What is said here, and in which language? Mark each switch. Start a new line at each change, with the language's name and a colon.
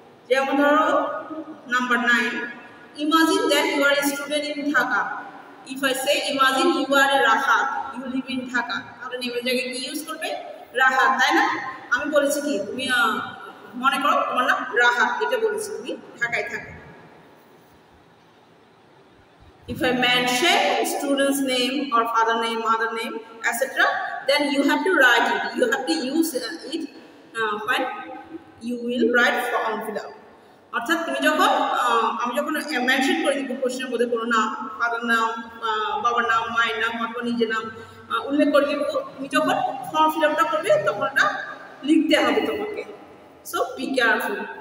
Bangla: যেমন ধরো number 9,
English: imagine that you are a student in Dhaka,
Bangla: if I say imagine you আর A Rahat, you live in Dhaka, তাহলে নেমের জায়গায় কী use করবে, রাহাত, তাই না, আমি বলেছি কি তুমি মনে করো তোমার নাম রাহাত, এটা বলেছি তুমি ঢাকায় থাকো।
English: If I mention student's name or father name, mother name, etc., then you have to write it. You have to use it when you will write form fill up.
Bangla: অর্থাৎ তুমি যখন আমি যখন মেনশন করে দিব কোশ্চেনের মধ্যে কোনো নাম, ফাদার নাম, বাবার নাম, মায়ের নাম অথবা নিজের নাম উল্লেখ করে দিব, তুমি যখন ফর্ম ফিল আপটা করবে তখন ওটা লিখতে হবে তোমাকে।
English: So be careful.